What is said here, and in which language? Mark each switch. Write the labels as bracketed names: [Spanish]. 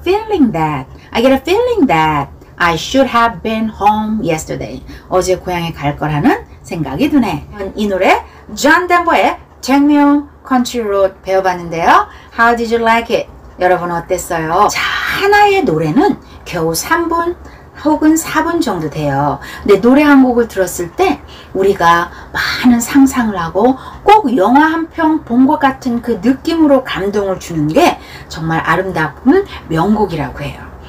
[English] I get a feeling that I should have been home yesterday. [Korean] 어제 고향에 갈 거라는 생각이 드네. 이 노래 존 덴버의 Take Me On Country Road 배워봤는데요. [English] How did you like it? [Korean] 여러분 어땠어요? 자, 하나의 노래는 겨우 3분 혹은 4분 정도 돼요. 근데 노래 한 곡을 들었을 때 우리가 많은 상상을 하고 꼭 영화 한 편 본 것 같은 그 느낌으로 감동을 주는 게 정말 아름다운 명곡이라고 해요.